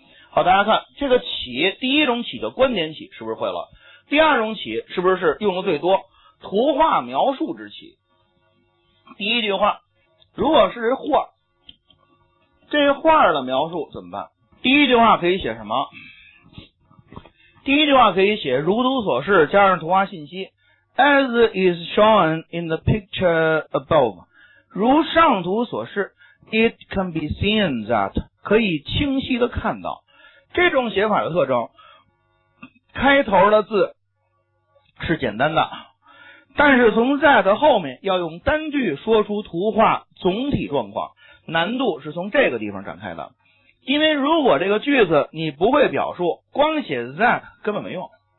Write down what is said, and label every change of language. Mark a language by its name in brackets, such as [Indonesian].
[Chinese] 好，大家看这个起，第一种起的观点起是不是会了，第二种起是不是用的最多，图画描述之起。第一句话如果是画，这画的描述怎么办？第一句话可以写什么？第一句话可以写如图所示，加上图画信息。 [English] As is shown in the picture above， [Chinese] 如上图所示。 [English] It can be seen that， [Chinese] 可以清晰的看到。这种写法的特征，开头的字是简单的，但是从 that 后面要用单句说出图画总体状况，难度是从这个地方展开的。因为如果这个句子你不会表述，光写 that 根本没用。